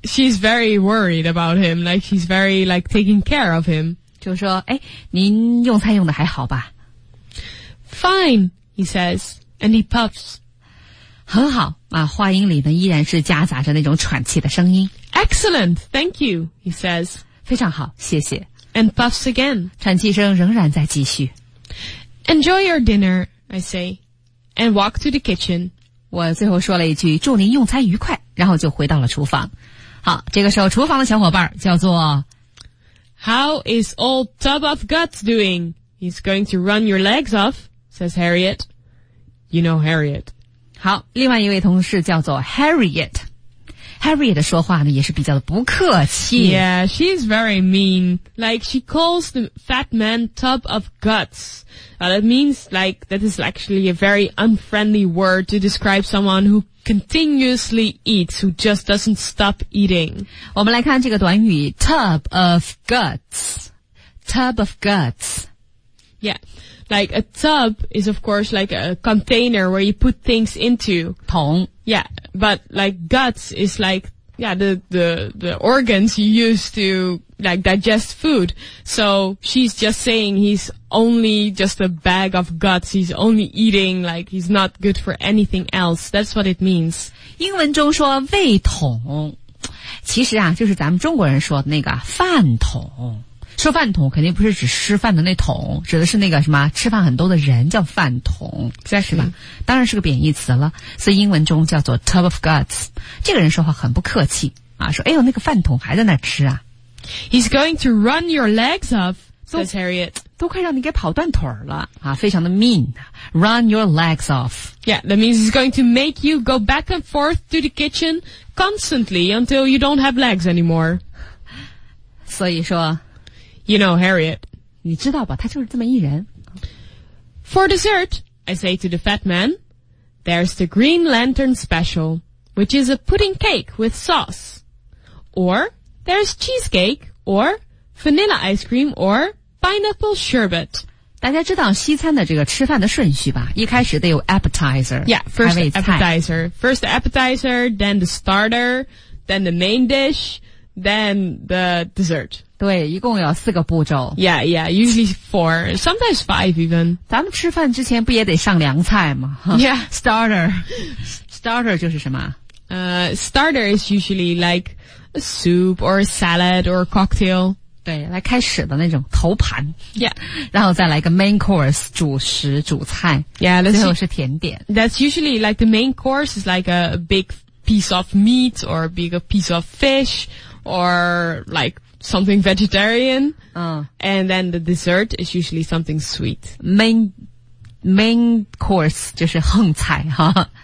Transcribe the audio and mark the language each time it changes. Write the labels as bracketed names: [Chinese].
[English] She's very worried about him. Like she's very like taking care of him. [Chinese] 就说哎您用餐用的还好吧。 [English] Fine, he says. And he puffs. [Chinese] 很好啊话音里呢依然是夹杂着那种喘气的声音。 [English] Excellent, thank you, he says. [Chinese] 非常好谢谢。 [English] And puffs again. [Chinese] 喘气声仍然在继续。 [English] Enjoy your dinner, I say, and walk to the kitchen. [Chinese] 我最后说了一句祝您用餐愉快然后就回到了厨房。好这个时候厨房的小伙伴叫做 [English] How is old tub of guts doing? He's going to run your legs off, says Harriet. You know Harriet. [Chinese] 好另外一位同事叫做 Harriet。Harriet 的说话呢也是比较的不客气。 [English] Yeah, she's very mean. Like, she calls the fat man tub of guts. That means, like, that is actually a very unfriendly word to describe someone who continuously eats, who just doesn't stop eating. [Chinese] 我们来看这个短语 [English] tub of guts. Tub of guts. Yeah, like a tub is, of course, like a container where you put things into. [Chinese] 桶 [English] Yeah, but like guts is like, yeah, the organs you use to like digest food. So she's just saying he's only just a bag of guts. He's only eating, like, he's not good for anything else. That's what it means. [Chinese] 英文中说胃桶，其实啊，就是咱们中国人说的那个饭桶。说饭桶肯定不是指吃饭的那桶，指的是那个什么吃饭很多的人叫饭桶，再是吧？当然是个贬义词了，所以英文中叫做 [English] tub of guts。 [Chinese] 这个人说话很不客气啊，说：“哎呦，那个饭桶还在那吃啊。” [English] He's going to run your legs off, says Harriet. [Chinese] 都快让你给跑断腿了啊，非常的 mean. [English] Run your legs off. Yeah, that means he's going to make you go back and forth to the kitchen constantly until you don't have legs anymore. [Chinese] 所以说。 [English] You know, Harriet. [Chinese] 你知道吧，他就是这么一人。 [English] For dessert, I say to the fat man, there's the Green Lantern special, which is a pudding cake with sauce. Or, there's cheesecake, or vanilla ice cream, or pineapple sherbet. [Chinese] 大家知道西餐的这个吃饭的顺序吧，一开始得有 appetizer. [English] Yeah, first appetizer, then the starter, then the main dish, then the dessert. [Chinese] 对，一共有四个步骤。 [English] Yeah, yeah, usually four, sometimes five even. [Chinese] 咱们吃饭之前不也得上凉菜吗？ [English] Yeah. [Chinese] Starter 就是什么？ [English] Starter is usually like a soup or a salad or a cocktail. [Chinese] 对，来开始的那种头盘。 [English] Yeah. [Chinese] 然后再来一个 [English] main course, [Chinese] 主食主菜。 [English] Yeah, [Chinese] that's 最后是甜点。 [English] That's usually like the main course is like a big piece of meat or a big piece of fish or likeSomething vegetarian,、and then the dessert is usually something sweet. Main course [Chinese] 就是横菜哈、